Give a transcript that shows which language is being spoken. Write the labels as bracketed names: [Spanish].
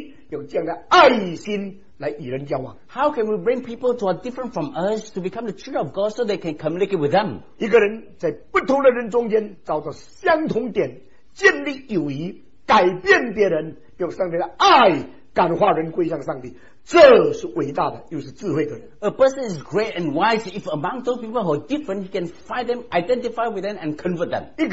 [Chinese] 我们应当怎样把与我们不同的人带到可以与我们一同在一起成为神的儿女，有这样的爱心来与人交往。 [English] How can we bring people to a different from us to become the children of God so they can communicate with them? [Chinese] 一个人在不同的人中间找到相同点，建立友谊，改变别人，用上帝的爱感化人归向上帝。这是伟大的，又是智慧的人。 [English] A person is great and wise if among those people who are different, he can find them, identify with them, and convert them.